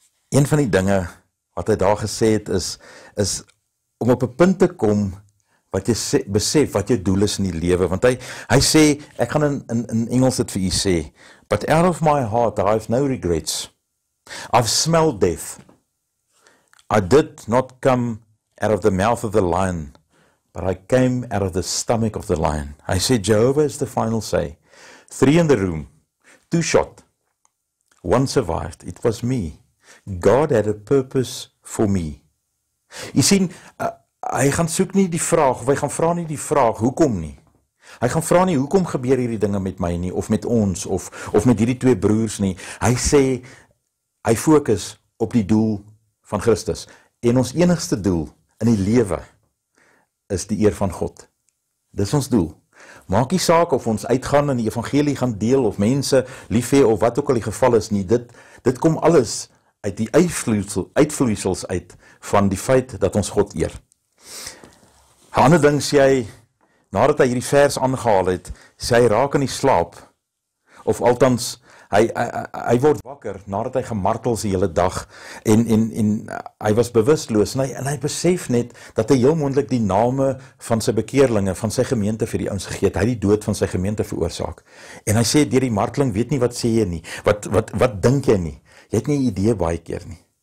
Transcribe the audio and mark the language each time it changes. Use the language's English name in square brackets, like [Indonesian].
[Afrikaans] Een van die dinge wat hy daar gesê het is om op 'n punt te kom wat jy besef wat jou doel is in die lewe, want hy sê, ek gaan in Engels dit vir u sê, [English] but out of my heart I have no regrets. I've smelled death. I did not come out of the mouth of the lion, but I came out of the stomach of the lion. I said, Jehovah is the final say. 3 in the room, 2 shot, one survived. It was me. God had a purpose for me. [Afrikaans] Jy sien, hy gaan soek nie die vraag, of hy gaan vra nie die vraag, hoekom nie? Hy gaan vra nie, hoekom gebeur hierdie dinge met my nie, of met ons, of met hierdie twee broers nie. Hy sê, hy fokus op die doel van Christus. En ons enigste doel in die lewe is die eer van God. Dis ons doel. Maak nie saak of ons uitgaan en die evangelie gaan deel, of mense lief hê, of wat ook al die geval is nie. Dit kom alles uit die uitvloeisels uit van die feit dat ons God eer. Een ander ding sê hy, nadat hy hierdie vers aangehaal het, sê hy raak in die slaap, of althans, hy word wakker nadat hy gemartel die hele dag, en hy was bewusteloos, en hy besef net, dat hy heel moontlik die name van sy bekeerlinge, van sy gemeente vir die ouens gegee het, hy die dood van sy gemeente veroorsaak, en hy sê, deur die marteling weet nie wat sê jy nie, wat dink jy nie, jy het nie idee baie keer nie,